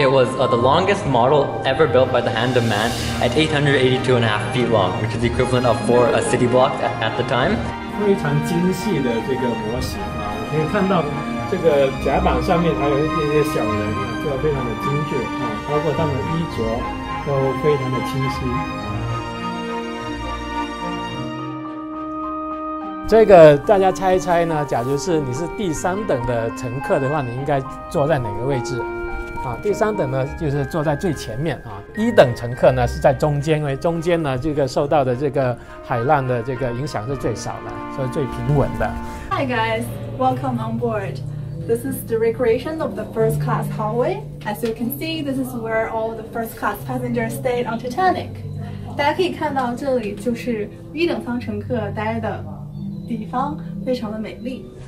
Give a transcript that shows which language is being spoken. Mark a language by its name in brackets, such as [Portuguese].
[English] It was、the longest model ever built by the hand of man at 882 and a half feet long, which is the equivalent of four a city block at the time. [Chinese] 非常精细的这个模型啊，可以看到这个甲板上面还有一些小人，就非常的精致啊，包括他们衣着都非常的清晰。这个大家猜一猜呢，假如是你是第三等的乘客的话，你应该坐在哪个位置啊？第三等呢就是坐在最前面啊，一等乘客呢是在中间，因为中间呢这个受到的这个海浪的这个影响是最少的，所以最平稳的。 [English] Hi guys, welcome on board. This is the recreation of the first class hallway. As you can see, this is where all the first class passengers stayed on Titanic. [Chinese] 大家可以看到这里就是一等舱乘客待的地方，非常的美丽。